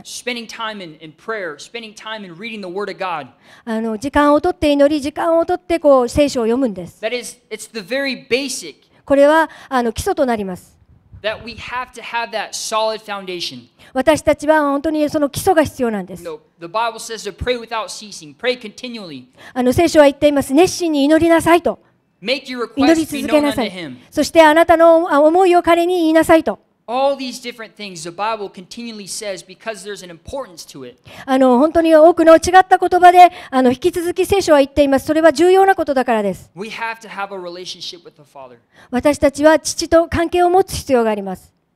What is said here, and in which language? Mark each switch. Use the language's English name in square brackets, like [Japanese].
[English] Spending time in prayer, spending time in reading the Word of God. [Japanese] 時間をとって祈り、時間をとってこう聖書を読むんです。 [English] That is, it's the very basic. [Japanese] これは基礎となります。 [English] That we have to have that solid foundation. [Japanese] 私たちは本当にその基礎が必要なんです。 [English] The Bible says to pray without ceasing, pray continually. [Japanese] 聖書は言っています。熱心に祈りなさいと。 [English] Make your requests be known unto Him. [Japanese] 祈り続けなさい。そしてあなたの思いを彼に言いなさいと。 [English] All these different things the Bible continually says because there's an importance to it. [Japanese] 本当に多くの違った言葉で引き続き聖書は言っています。それは重要なことだからです。 [English] We have to have a relationship with the Father. [Japanese] 私たちは父と関係を持つ必要があります。